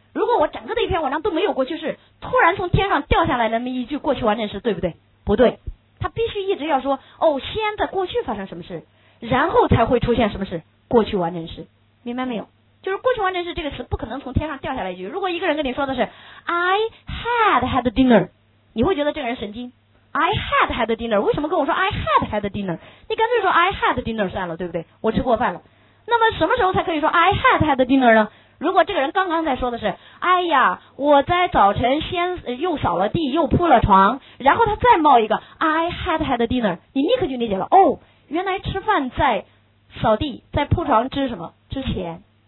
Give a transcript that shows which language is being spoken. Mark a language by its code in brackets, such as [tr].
[zh] 如果我整个的一篇文章都没有过去式，突然从天上掉下来那么一句过去完成式，对不对？不对，它必须一直要说哦，先在过去发生什么事，然后才会出现什么事，过去完成式，明白没有？就是过去完成式这个词不可能从天上掉下来一句。如果一个人跟你说的是 [en] I had had dinner， [zh] 你会觉得这个人神经。 [en] I had had dinner， [zh] 为什么跟我说 [en] I had had dinner？ [zh] 你干脆说 [en] I had dinner [zh] 算了，对不对？我吃过饭了。那么什么时候才可以说 [en] I had had dinner [zh] 呢？如果这个人刚刚在说的是，哎呀，我在早晨先又扫了地，又铺了床，然后他再冒一个 I had had dinner， 你立刻就理解了，哦，原来吃饭在扫地在铺床之什么之前。